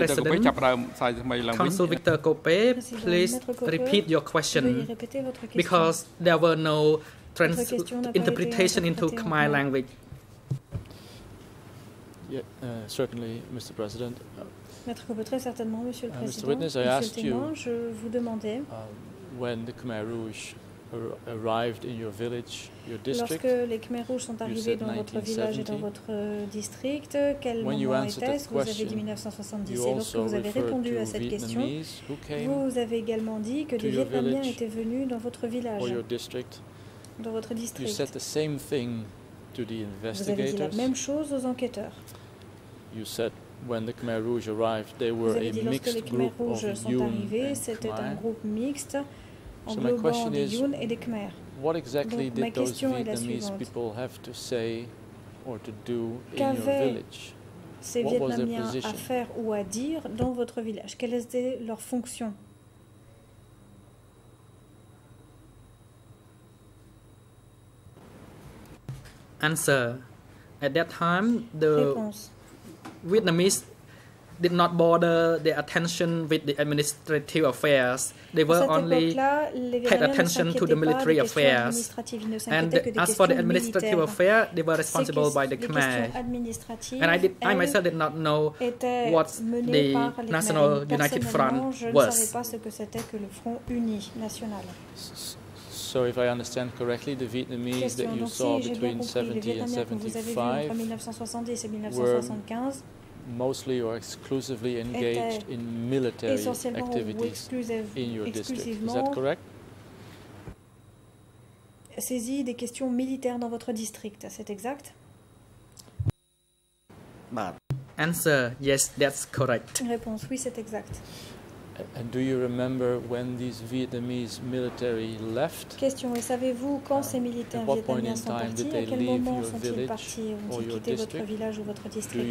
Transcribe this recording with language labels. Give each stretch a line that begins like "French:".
English: President, Council Victor Copé, please repeat your question because there were no interpretation into Khmer language. Yeah, certainly, Mr. President.
French: Maître Copé, très certainement, Monsieur le Président.
English: Mr. Witness, I asked you when the Khmer Rouge arrived in your village, your district.
French: Lorsque les Khmer Rouges sont arrivés dans votre village et dans votre district, quel moment était-ce? Vous avez dit 1970. Et lorsque vous avez répondu à cette question, vous avez également dit que des Vietnamiens étaient venus dans votre village, dans votre district.
English: You said the same thing to the investigators.
French: Vous avez dit la même chose aux enquêteurs.
English: You said when the Khmer Rouge arrived, they were a mixed group of Yun and Khmer. So my question is, what exactly did those Vietnamese people have to say or to do in your village?
French: Ces Vietnamiens à faire ou à dire dans votre village? Quelle était leur fonction?
English: Answer. At that time, the
French: réponse.
English: Vietnamese did not bother their attention with the administrative affairs. They were only paid attention to the military affairs. And as for the administrative affairs, they were responsible by the Khmer. And I myself did not know what the National United Front was. So if I understand correctly, the Vietnamese that you saw between 70 and 75 were mostly or exclusively engaged in military activities in your district. Is that correct?
French: Saisi des questions militaires dans votre district, c'est exact?
English: Answer, yes, that's correct.
French: Réponse, oui, c'est exact. And do you remember when these Vietnamese military left? Question, et savez-vous quand ces militaires vietnamiens sont partis? À quel moment sont-ils partis? Ont-ils quitté votre village ou votre district?